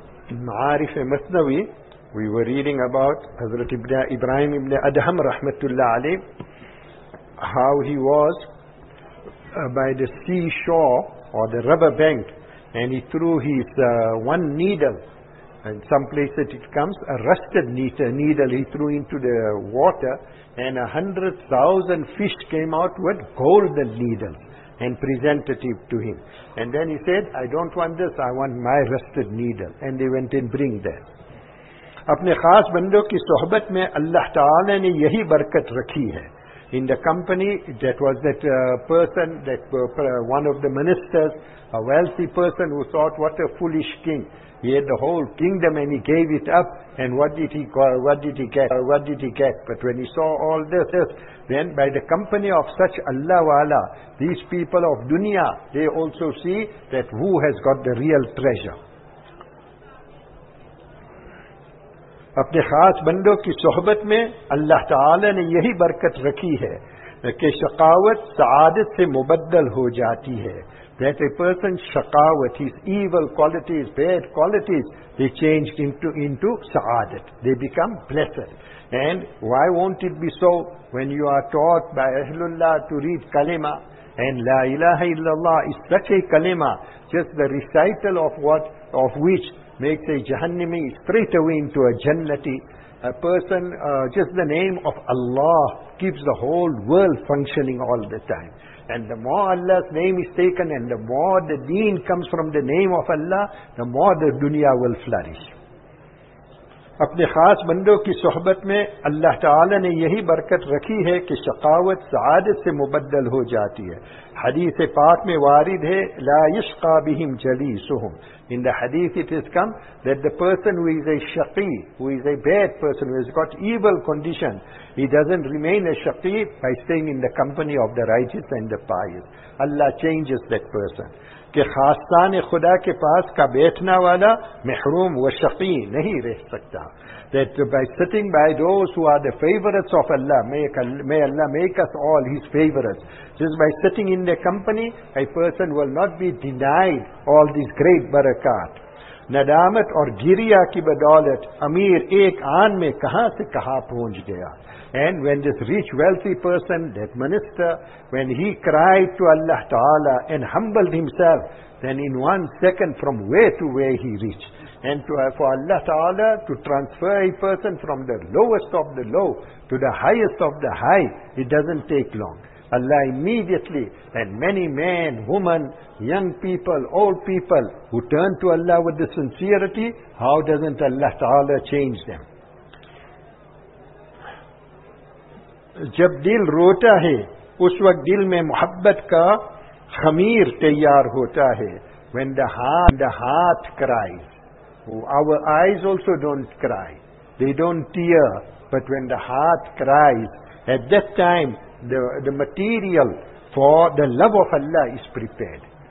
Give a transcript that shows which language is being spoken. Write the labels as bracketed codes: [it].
[en] In Ma'arif al-Masnawi, we were reading about Hazrat Ibrahim ibn Adham rahmatullah alayh, how he was by the seashore or the river bank, and he threw his one needle, and some place that it comes, a rusted needle he threw into the water, and 100,000 fish came out with golden needles and presented it to him. And then he said, I don't want this, I want my rusted needle. And they went and bring that. [ur] اپنے خاص بندوں کی صحبت میں اللہ تعالی نے یہی برکت رکھی ہے. [en] In the company, that was that person, that one of the ministers, a wealthy person who thought, what a foolish king. He had the whole kingdom and he gave it up. And what did he get? But when he saw all this, then by the company of such Allah wala, these people of dunya, they also see that who has got the real treasure. [ur] اپنے خاص بندوں کی صحبت میں اللہ تعالی نے یہی برکت رکھی ہے کہ شقاوت سعادت سے مبدل ہو جاتی ہے. [en] That a person شقاوت, his evil qualities, bad qualities, they change into سعادت, they become blessed. And why won't it be so when you are taught by Ahlullah to read kalima, and La ilaha illallah is such a kalima, just the recital of what, of which makes a Jahannami straight away into a Jannati. A person, just the name of Allah keeps the whole world functioning all the time. And the more Allah's name is taken, and the more the deen comes from the name of Allah, the more the dunya will flourish. [ur] اپنے خاص بندوں کی صحبت میں اللہ تعالی نے یہی برکت رکھی ہے کہ شقاوت سعادت سے مبدل ہو جاتی ہے. حدیث پاک میں وارد ہے, [ar] لا يشقى بهم جليسهم. [en] In the hadith it has come that the person who is a shaqi, who is a bad person, who has got evil condition, he doesn't remain a shaqi by staying in the company of the righteous and the pious. Allah changes that person. [ur] کہ خاصان خدا کے پاس کا بیٹھنا والا محروم و شقی نہیں رہ سکتا. [en] That by sitting by those who are the favorites of Allah, may Allah make us all His favorites. Just by sitting in their company, a person will not be denied all these great barakat. [ur] ندامت اور گریا کی بدولت امیر ایک آن میں کہاں سے کہاں پہنچ گیا. [en] And when this rich, wealthy person, that minister, when he cried to Allah Ta'ala and humbled himself, then in one second from where to where he reached. And for Allah Ta'ala to transfer a person from the lowest of the low to the highest of the high, it doesn't take long. Allah immediately, and many men, women, young people, old people who turn to Allah with the sincerity, how doesn't Allah Ta'ala change them? [ur] جب دل روتا ہے اس وقت دل میں محبت کا خمیر تیار ہوتا ہے. [en] When the heart cries, our eyes also don't cry, they don't tear, but when the heart cries, at that time the material for the love of Allah is prepared.